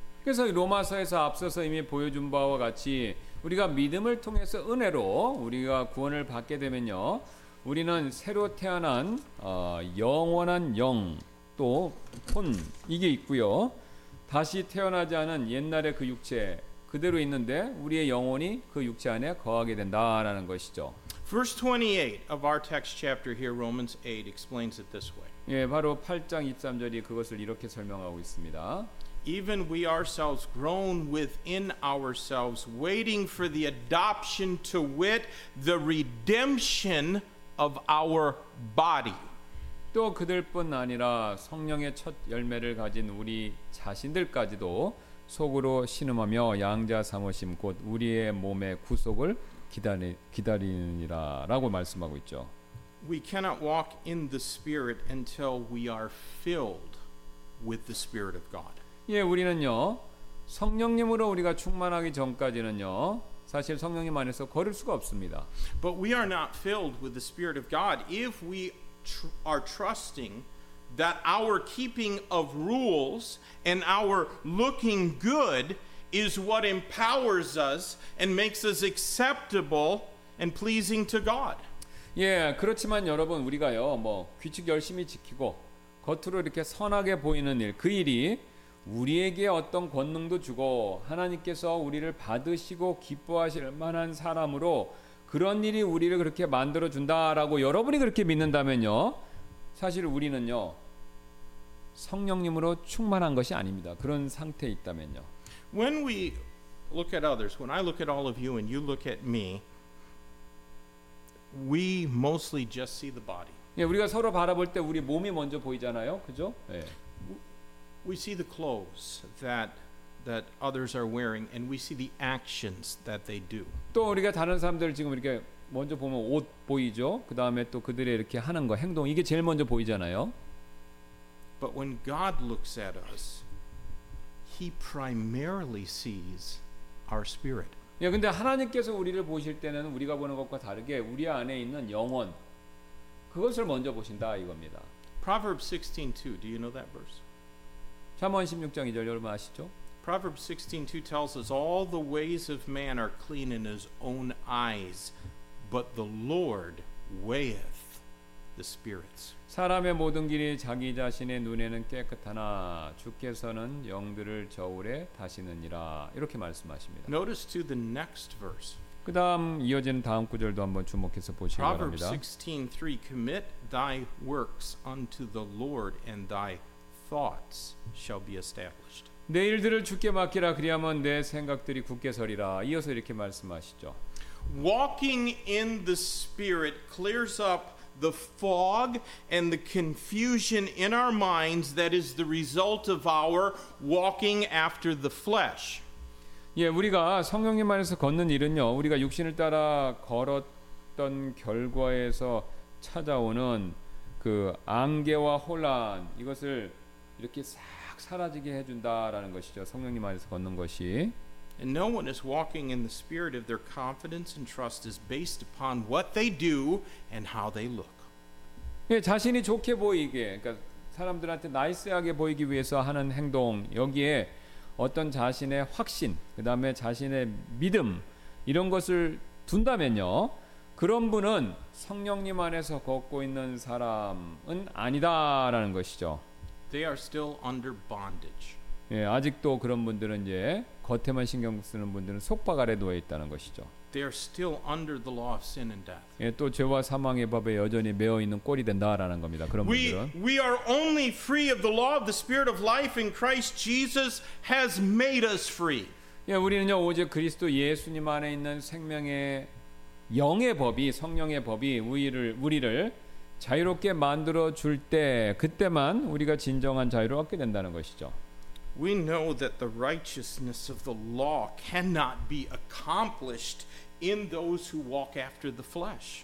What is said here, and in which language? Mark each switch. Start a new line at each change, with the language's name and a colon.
Korean: 그래서 로마서에서 앞서서 이미 보여준 바와 같이 우리가 믿음을 통해서 은혜로 우리가 구원을 받게 되면요, 우리는 새로 태어난 영원한 영 또 혼 이게 있고요, 다시 태어나지 않은 옛날의 그 육체 그대로 있는데 우리의 영혼이 그 육체 안에 거하게 된다라는 것이죠.
English: Verse 28 of our text chapter here, Romans 8, explains it this way.
Korean: 예, 바로 8장 23절이 그것을 이렇게 설명하고 있습니다.
English: Even we ourselves groan within ourselves, waiting for the adoption, to wit, the redemption of our body.
Korean: 또 그들뿐 아니라 성령의 첫 열매를 가진 우리 자신들까지도 속으로 신음하며 양자 삼으심 곧 우리의 몸의 구속을 기다리느니라라고 말씀하고 있죠.
English: We cannot walk in the Spirit until we are filled with the Spirit of God.
Korean: 예, 우리는요 성령님으로 우리가 충만하기 전까지는요 사실 성령님 안에서 걸을 수가 없습니다.
English: But we are not filled with the Spirit of God if we are trusting that our keeping of rules and our looking good is what empowers us and makes us acceptable and pleasing to God.
Korean: 예, 그렇지만 여러분 우리가요 뭐 규칙 열심히 지키고 겉으로 이렇게 선하게 보이는 일 그 일이 우리에게 어떤 권능도 주고 하나님께서 우리를 받으시고 기뻐하실 만한 사람으로 그런 일이 우리를 그렇게 만들어 준다라고 여러분이 그렇게 믿는다면요, 사실 우리는요 성령님으로 충만한 것이 아닙니다. 그런 상태에 있다면요.
English: When we look at others, when I look at all of you and you look at me, we mostly just see the body.
Korean: 예, 우리가 서로 바라볼 때 우리 몸이 먼저 보이잖아요. 그죠? 예.
English: We see the clothes that others are wearing and we see the actions that they do.
Korean: 또 우리가 다른 사람들 지금 이렇게 먼저 보면 옷 보이죠? 그다음에 또 그들이 이렇게 하는 거 행동 이게 제일 먼저 보이잖아요.
English: But when God looks at us, he primarily sees our spirit.
Korean: 예, 근데 하나님께서 우리를 보실 때는 우리가 보는 것과 다르게 우리 안에 있는 영혼 그것을 먼저 보신다 이겁니다.
English: Proverbs 16:2. Do you know that verse?
Korean: 잠언 16장 2절 여러분 아시죠?
English: Proverbs 16:2 tells us all the ways of man are clean in his own eyes, but the Lord weigheth the spirits.
Korean: 사람의 모든 길이 자기 자신의 눈에는 깨끗하나 주께서는 영들을 저울에 다시느니라 이렇게 말씀하십니다.
English: Notice to the next verse.
Korean: 그다음 이어지는 다음 구절도 한번 주목해서 보시기 바랍니다.
English: Proverbs 16:3 commit thy works unto the Lord and thy thoughts shall be established.
Korean: 내 일들을 주께 맡기라 그리하면 내 생각들이 굳게 서리라. 이어서 이렇게 말씀하시죠.
English: Walking in the spirit clears up the fog and the confusion in our minds that is the result of our walking after the flesh.
Korean: 예, 우리가 성령님 안에서 걷는 일은요. 우리가 육신을 따라 했던 결과에서 찾아오는 그 안개와 혼란 이것을 이렇게 싹 사라지게 해준다라는 것이죠. 성령님 안에서 걷는 것이.
English: And no one is walking in the spirit if their confidence and trust is based upon what they do and how they look.
Korean: 예, 자신이 좋게 보이게, 그러니까 사람들한테 나이스하게 보이기 위해서 하는 행동, 여기에 어떤 자신의 확신, 그 다음에 자신의 믿음 이런 것을 둔다면요, 그런 분은 성령님 안에서 걷고 있는 사람은 아니다라는 것이죠.
English: They are still under bondage.
Korean: 예, 아직도 그런 분들은 이제 겉에만 신경 쓰는 분들은 속박 아래 놓여 있다는 것이죠.
English: They are still under the law of sin and death.
Korean: 예, 또 죄와 사망의 법에 여전히 매어 있는 꼴이 된다라는 겁니다. 그런 분들은.
English: We are only free of the law of the spirit of life in Christ Jesus has made us free.
Korean: 예, 우리는요 오직 그리스도 예수님 안에 있는 생명의 영의 법이 성령의 법이 우리를 자유롭게 만들어 줄 때 그때만 우리가 진정한 자유를 얻게 된다는 것이죠.
English: We know that the righteousness of the law cannot be accomplished in those who walk after the flesh.